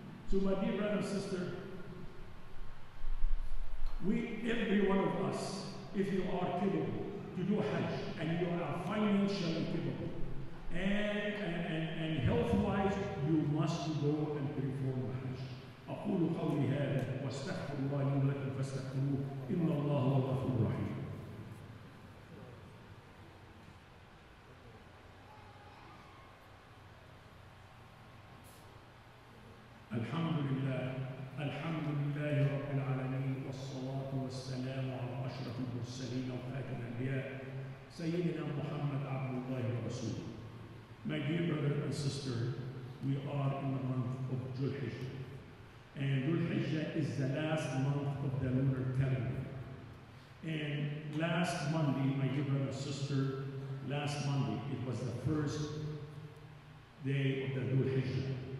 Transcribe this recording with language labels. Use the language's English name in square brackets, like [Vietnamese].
[English] So my dear brother and sister, we, every one of us, if you are capable to do Hajj, and you are financially capable, and health-wise, you must go and perform Hajj. [Arabic] أقول قولي هذا واستغفر الله لي ولكم فاستغفروه إن الله غفور رحيم. الحمد لله، الحمد لله رب العالمين، والصلاة والسلام على أشرف المرسلين وخاتم الأنبياء سيدنا محمد عبد الله ورسوله. [English] My dear brother and sister, we are in the month of Dhul-Hijjah. And Dhul-Hijjah is the last month of the lunar calendar. And last Monday, my dear brother and sister, last Monday, it was the first day of the Dhul-Hijjah.